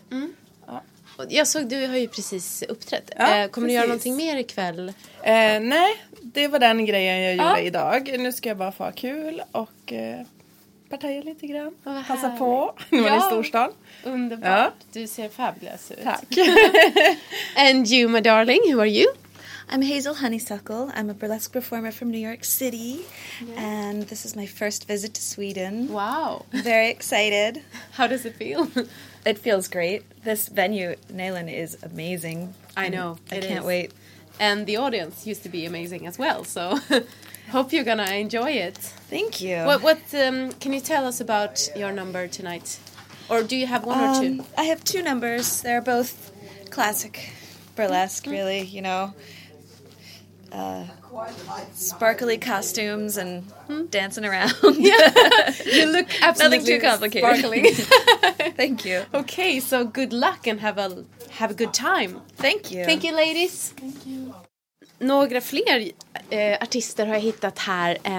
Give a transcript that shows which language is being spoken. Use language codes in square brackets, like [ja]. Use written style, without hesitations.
[sv] Mm. Ja. Jag såg, du har ju precis uppträtt. Ja, kommer du göra någonting mer ikväll? Nej, det var den grejen jag gjorde idag. Nu ska jag bara få kul och partaja lite grann. Passa på, nu är det i storstan. Underbart, ja. Du ser fabulous ut. Tack. [en] And you, my darling, who are you? I'm Hazel Honeysuckle. I'm a burlesque performer from New York City. Yes. And this is my first visit to Sweden. Wow. Very excited. How does it feel? It feels great. This venue, Nälen, is amazing. I know. I can't wait. And the audience used to be amazing as well. So hope you're going to enjoy it. Thank you. What can you tell us about your number tonight? Or do you have one or two? I have two numbers. They're both classic burlesque, really, you know. Sparkly costumes and dancing around. Yeah. You look absolutely nothing too complicated. Sparkling. Thank you. Okay, so good luck and have a good time. Thank you. Thank you, ladies. Thank you. [sv] Några fler artister har jag hittat här.